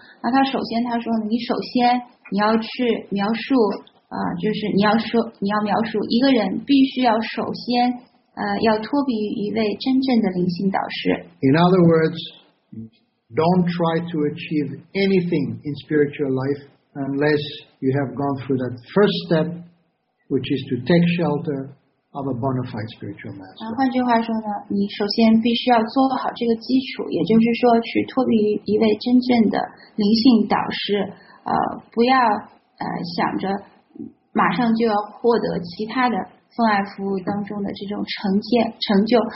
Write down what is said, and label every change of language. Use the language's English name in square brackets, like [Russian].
[Chinese] 那他首先他说呢，你首先你要去描述，就是你要描述一个人必须要首先，要脱离于一位真正的灵性导师。 [English] In other words, don't try to achieve anything in spiritual life unless you have gone through that first step. Which is to take shelter of a bona fide spiritual master. [Chinese] 换句话说呢，你首先必须要做好这个基础，也就是说，去脱离一位真正的灵性导师。不要想着马上就要获得其他的奉爱服务当中的这种成就。